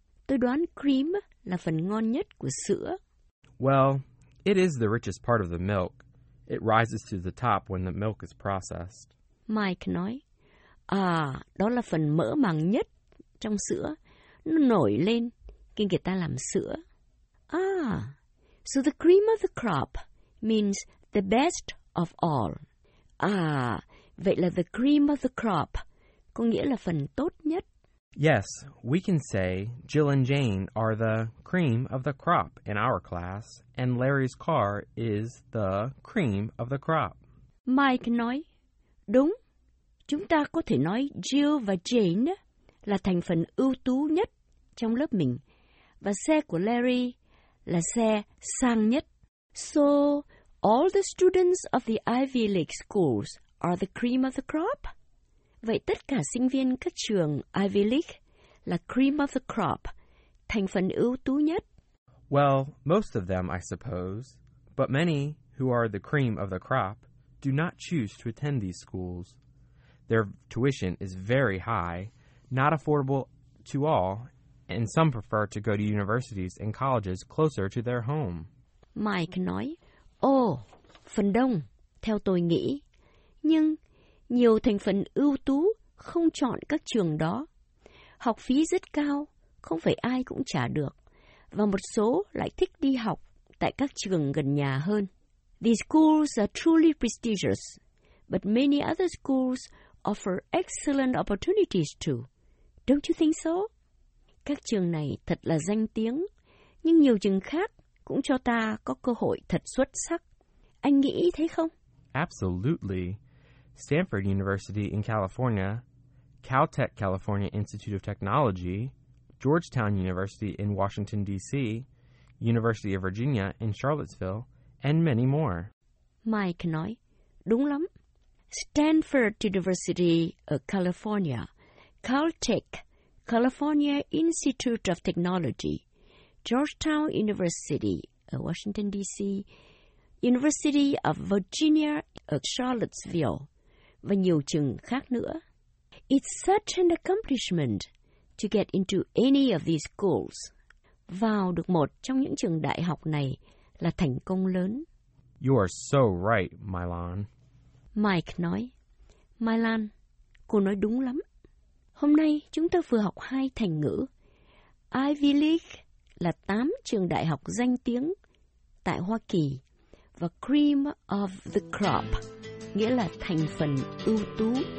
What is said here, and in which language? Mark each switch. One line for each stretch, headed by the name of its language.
Vietnamese: Tôi đoán cream là phần ngon nhất của sữa.
English: Well, it is the richest part of the milk. It rises to the top when the milk is processed.
Vietnamese: Mike nói, à, đó là phần mỡ màng nhất trong sữa. Nó nổi lên khi người ta làm sữa.
English: Ah, so the cream of the crop means the best of all.
Vietnamese: À, vậy là
English: the cream of the crop
Vietnamese: có nghĩa là phần tốt nhất.
English: Yes, we can say Jill and Jane are the cream of the crop in our class, and Larry's car is the cream of the crop.
Vietnamese: Mike nói, đúng, chúng ta có thể nói Jill và Jane là thành phần ưu tú nhất trong lớp mình, và xe của Larry là xe sang nhất.
English: So, all the students of the Ivy League schools are the cream of the crop?
Vietnamese: Vậy tất cả sinh viên các trường Ivy League là
English: cream of the crop,
Vietnamese: thành phần ưu tú nhất?
English: Well, most of them, I suppose. But many, who are the cream of the crop, do not choose to attend these schools. Their tuition is very high, not affordable to all, and some prefer to go to universities and colleges closer to their home.
Vietnamese: Mike nói, oh, phần đông, theo tôi nghĩ. Nhưng nhiều thành phần ưu tú không chọn các trường đó. Học phí rất cao, không phải ai cũng trả được. Và một số lại thích đi học tại các trường gần nhà hơn.
English: These schools are truly prestigious, but many other schools offer excellent opportunities too. Don't you think so?
Vietnamese: Các trường này thật là danh tiếng, nhưng nhiều trường khác cũng cho ta có cơ hội thật xuất sắc. Anh nghĩ thế không?
English: Absolutely. Stanford University in California, Caltech California Institute of Technology, Georgetown University in Washington, D.C., University of Virginia in Charlottesville, and many more.
Vietnamese: Mike nói, đúng lắm. Stanford University of California, Caltech California Institute of Technology, Georgetown University of Washington, D.C., University of Virginia of Charlottesville, và nhiều trường khác nữa.
English: It's such an accomplishment to get into any of these schools.
Vietnamese: Vào được một trong những trường đại học này là thành công lớn.
English: You are so right, Milan.
Vietnamese: Mike nói, Milan, cô nói đúng lắm. Hôm nay chúng ta vừa học hai thành ngữ. Ivy League là 8 trường đại học danh tiếng tại Hoa Kỳ và
English: cream of the crop,
Vietnamese: nghĩa là thành phần ưu tú.